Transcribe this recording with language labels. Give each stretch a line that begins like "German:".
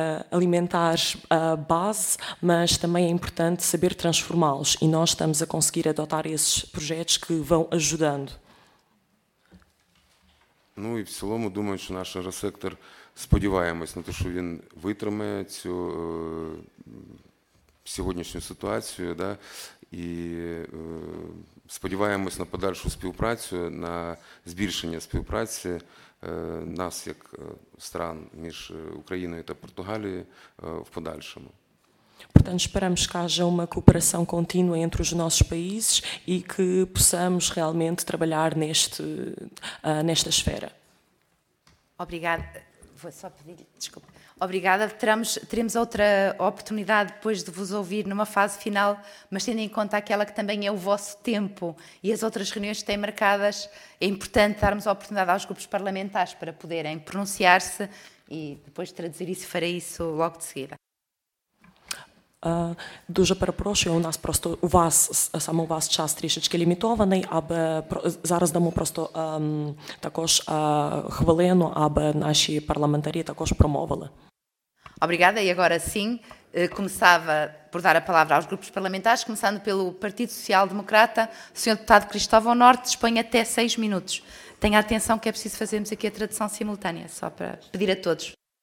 Portuguese: alimentares base, mas também é importante saber transformá-los e nós estamos a conseguir adotar esses projetos que vão ajudando.
Ukrainian: Ну і в цілому думаю, що наш агросектор, сподіваємось на те, що він витримає цю сьогоднішню ситуацію, да, і сподіваємось на подальшу співпрацю, на збільшення співпраці нас як стран між Україною та Португалією в подальшому.
Portuguese: Portanto, esperamos que haja uma cooperação contínua entre os nossos países e que possamos realmente trabalhar nesta esfera. Obrigada. Vou só pedir desculpa. Obrigada. Teremos outra oportunidade depois de vos ouvir numa fase final, mas tendo em conta aquela que também é o vosso tempo e as outras reuniões que têm marcadas, é importante darmos a oportunidade aos grupos parlamentares para poderem pronunciar-se e depois traduzir isso, farei isso logo de seguida.
Ukrainian: Дуже перепрошую, у нас просто у вас, саме у вас час трішечки лімітований, аби зараз дамо просто також хвилину, аби наші парламентарі також промовили.
Portuguese: Obrigada, e agora sim, começava por dar a palavra aos grupos parlamentares, começando pelo Partido Social Democrata, o Sr. Deputado Cristóvão Norte, dispõe até 6 minutos. Tenha atenção que é preciso fazermos aqui a tradução simultânea, só para pedir a todos.